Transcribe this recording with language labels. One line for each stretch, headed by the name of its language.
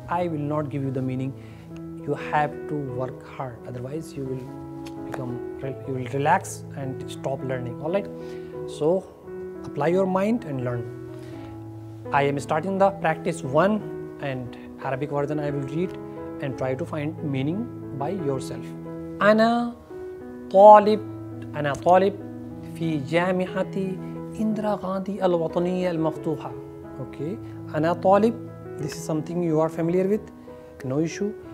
English: I will not give you the meaning. You have to work hard, otherwise you will relax and stop learning. All right, so apply your mind and learn. I am starting the practice one, and Arabic version I will read and try to find meaning by yourself.
Arabic: Ana طالب, أنا طالب في جامعة إندرا غاندي الوطنية المفتوحة.
English: Okay,
Arabic: أنا طالب,
English: this is something you are familiar with, no issue.